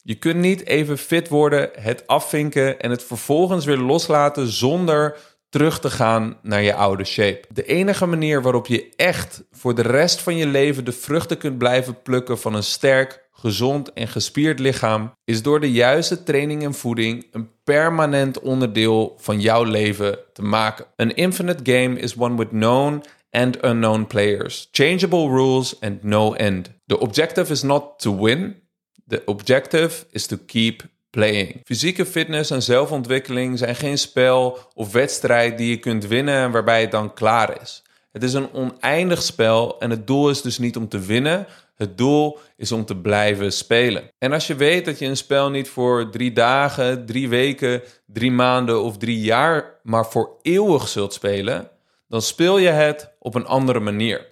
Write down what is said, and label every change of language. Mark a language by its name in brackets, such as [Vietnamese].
[Dutch] Je kunt niet even fit worden, het afvinken en het vervolgens weer loslaten zonder terug te gaan naar je oude shape. De enige manier waarop je echt voor de rest van je leven de vruchten kunt blijven plukken van een sterk, gezond en gespierd lichaam is door de juiste training en voeding een permanent onderdeel van jouw leven te maken. [English] An infinite game is one with known and unknown players. Changeable rules and no end. The objective is not to win. The objective is to keep playing. [Dutch] Fysieke fitness en zelfontwikkeling zijn geen spel of wedstrijd die je kunt winnen en waarbij het dan klaar is. Het is een oneindig spel en het doel is dus niet om te winnen. Het doel is om te blijven spelen. En als je weet dat je een spel niet voor 3 dagen, 3 weken, 3 maanden of 3 jaar, maar voor eeuwig zult spelen, dan speel je het op een andere manier.